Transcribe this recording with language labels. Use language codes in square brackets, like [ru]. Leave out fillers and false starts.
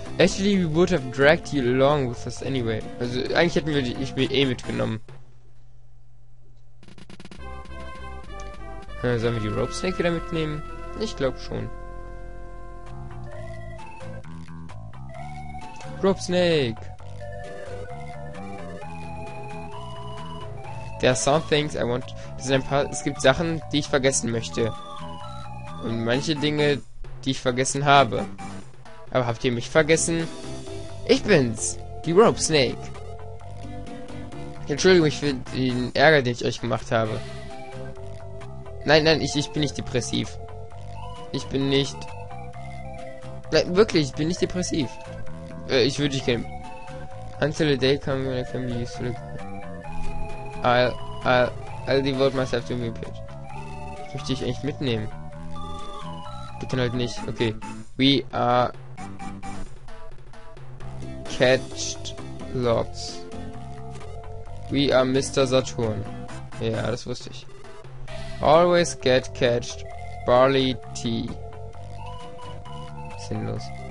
[en] Actually, we would have dragged you along with us anyway. [de] Also, eigentlich hätten wir dich mitgenommen. Sollen wir die Rope Snake wieder mitnehmen? Ich glaube schon. Rope Snake! [en] There are some things I want. [de] Es gibt Sachen, die ich vergessen möchte. Und manche Dinge, die ich vergessen habe. Aber habt ihr mich vergessen? Ich bin's! Die Rope Snake! Entschuldigung für den Ärger, den ich euch gemacht habe. Nein, ich bin nicht depressiv. Ich bin nicht. Nein, wirklich, ich bin nicht depressiv. Ich würde dich gerne. [en] Until the day comes when I can be useful. I'll devote myself to my page. [de] Ich möchte dich eigentlich mitnehmen. Bitte halt nicht. Okay. [en] We are catched lots. We are Mr. Saturn. [de] Ja, das wusste ich. [en] Always get catched. Barley tea. [de] Sinnlos.